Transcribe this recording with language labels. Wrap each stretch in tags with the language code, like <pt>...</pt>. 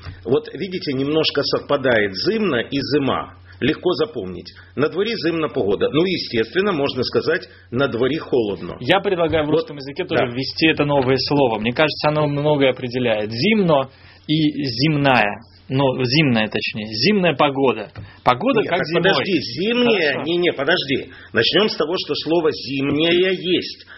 <ru>Вот видите, немножко совпадает зимно и зима. Легко запомнить.</ru> <uk>На дворі зимна погода. Ну, естественно, можна сказати, на дворі холодно.</uk> <ru>Я предлагаю в русском языке тоже ввести это новое слово. Мне кажется, оно многое определяет. Зимно и зимная. Ну, зимная, точнее. Зимная погода. Погода не, как зимой. Подожди, зимняя... Хорошо. Не, подожди. Начнем с того, что слово зимняя есть.</ru>